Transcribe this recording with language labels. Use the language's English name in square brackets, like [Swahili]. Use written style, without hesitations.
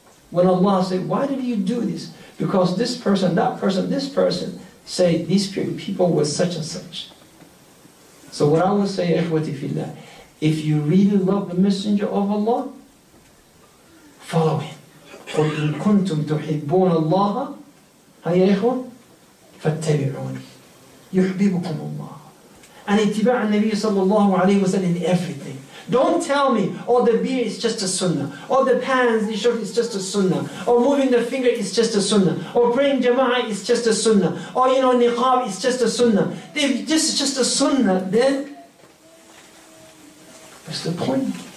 [English] When Allah says, why did you do this? Because this person, that person, this person say these people were such and such. So what I would say, ikhwati fillah, if you really love the Messenger of Allah, follow him. [Arabic] قُلْ إِن كُنْتُمْ تُحِبُّونَ اللَّهَ هَيَا إِخْوَةً فَاتَّبِعُونِ يُحْبِبُكُمُ اللَّهَ And اتِّبَعَ النَّبِيُّ صَلَّى اللَّهُ عَلَيْهِ وَسَلَّمْ [English] in everything. Don't tell me, oh, the beard is just a sunnah, or the pants in short is just a sunnah, or moving the finger is just a sunnah, or praying jama'ah is just a sunnah, or, you know, niqab is just a sunnah. If this is just a sunnah, then what's the point?